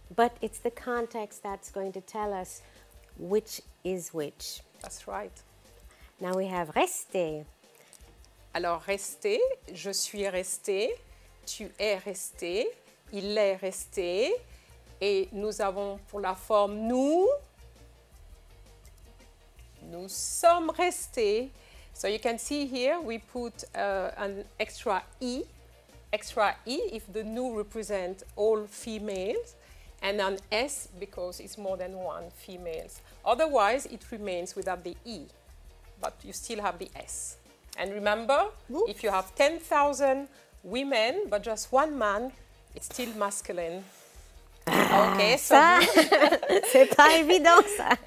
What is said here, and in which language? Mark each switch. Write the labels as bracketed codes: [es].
[en] But it's the context that's going to tell us which is which. That's right. Now we have resté. [fr] Alors, rester, je suis restée, tu es restée, il est resté, et nous avons pour la forme nous, nous sommes restés. [en] So you can see here, we put an extra E, if the nous represent all females, and an S because it's more than one females. Otherwise, it remains without the E, but you still have the S. And remember, oops, if you have 10,000 women, but just one man, it's still masculine. [fr] Ah, okay, ça, so c'est pas évident, ça.